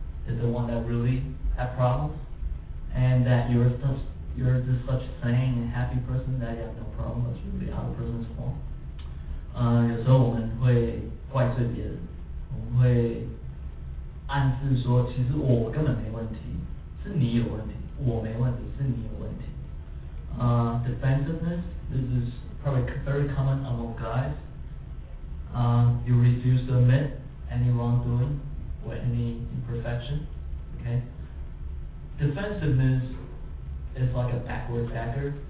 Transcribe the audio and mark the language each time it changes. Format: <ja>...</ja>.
<en>Is the one that really had problems, and that you're just such a sane and happy person that you have no problem, but you're the other person's fault.</en> <zh>有时候我们会怪罪别人，我们会暗示说，其实我根本没问题，是你有问题，我没问题，是你有问题。</zh> <en>Defensiveness, this is probably very common among guys. You refuse to admit any wrongdoing. Or any imperfection, okay? Defensiveness is like a backward dagger.</en>